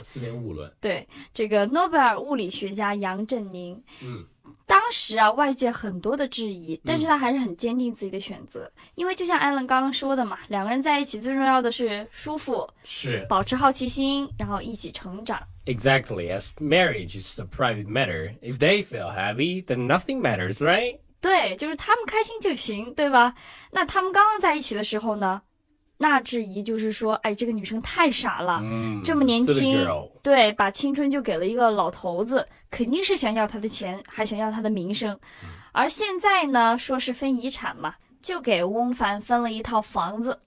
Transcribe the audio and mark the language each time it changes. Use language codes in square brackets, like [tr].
[zh] 4.5轮。对，这个诺贝尔物理学家杨振宁，当时啊外界很多的质疑，但是他还是很坚定自己的选择，因为就像艾伦刚刚说的嘛，两个人在一起最重要的是舒服，是保持好奇心，然后一起成长。 [en] Exactly, as marriage is a private matter, if they feel happy then nothing matters, right? [zh] 对，就是他们开心就行，对吧？那他们刚刚在一起的时候呢，那质疑就是说，哎，这个女生太傻了，这么年轻，对，把青春就给了一个老头子，肯定是想要他的钱，还想要他的名声。而现在呢，说是分遗产嘛，就给翁帆分了一套房子。